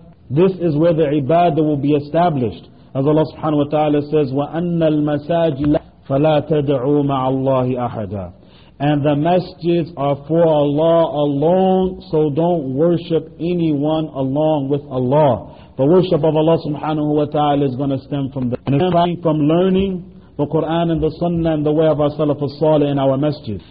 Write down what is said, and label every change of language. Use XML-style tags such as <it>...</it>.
<en>This is where the ibadah will be established. As Allah subhanahu wa ta'ala says,</en> <ar>وَأَنَّ الْمَسَاجِلَ فَلَا تَدْعُوا مَعَ اللَّهِ أَحَدًا.</ar> <en>And the masjids are for Allah alone, so don't worship anyone along with Allah. The worship of Allah subhanahu wa ta'ala is going to stem from the from learning the Quran and the Sunnah and the way of our Salaf al-Salih in our masjid.</en>